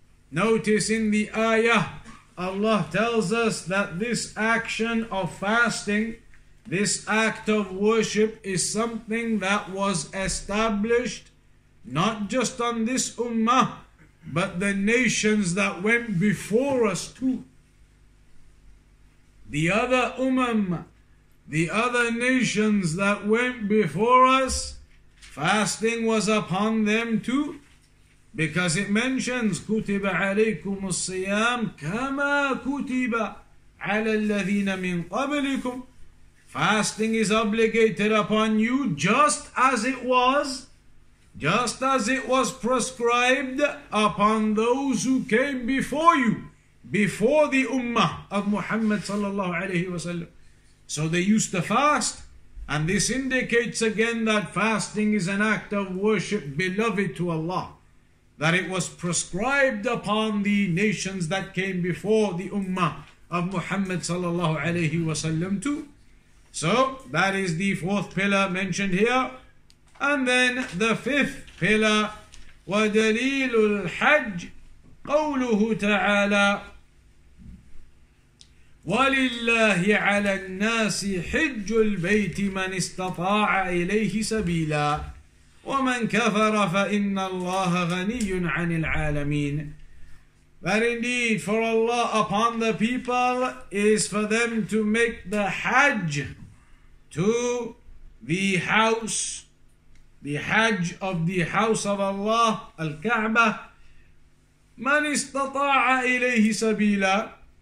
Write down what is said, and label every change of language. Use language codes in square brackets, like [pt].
[en] Notice in the ayah, Allah tells us that this action of fasting, this act of worship is something that was established not just on this ummah, but the nations that went before us too. The other umam, the other nations that went before us, fasting was upon them too. [ar] Because it mentions, كُتِبَ عَلَيْكُمُ الصِّيَامُ كَمَا كُتِبَ عَلَى الَّذِينَ مِنْ قَبْلِكُمْ. [en] Fasting is obligated upon you just as it was, just as it was prescribed upon those who came before you, before the ummah of Muhammad sallallahu alayhi wa sallam. So they used to fast, and this indicates again that fasting is an act of worship beloved to Allah, that it was prescribed upon the nations that came before the ummah of Muhammad sallallahu alayhi wa sallam too. So that is the fourth pillar mentioned here. And then the fifth pillar, [ar] وَدَلِيلُ الْحَجِّ قَوْلُهُ تَعَالَى وَلِلَّهِ عَلَى النَّاسِ حِجُّ الْبَيْتِ مَنِ اسْتَطَاعَ إِلَيْهِ سَبِيلًا وَمَنْ كَفَرَ فَإِنَّ اللَّهَ غَنِيٌّ عَنِ الْعَالَمِينَ. [en] But indeed, for Allah upon the people is for them to make the Hajj to the house, the Hajj of the house of Allah, Al-Ka'bah, [ar] Man istata'a ilayhi sabila.